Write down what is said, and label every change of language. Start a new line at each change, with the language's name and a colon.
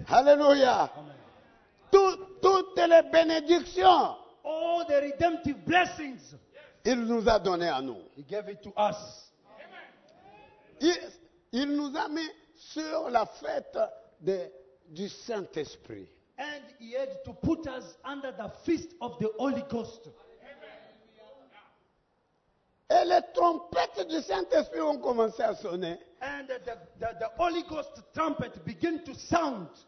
French: Alléluia. Toutes les bénédictions.
English: All the redemptive blessings.
French: Il nous a donné à nous.
English: He gave it to us.
French: Il nous a mis sur la fête du Saint-Esprit.
English: And he had to put us under the feast of the Holy Ghost.
French: Et les trompettes du Saint-Esprit ont commencé à sonner.
English: And the Holy Ghost trumpet began to sound.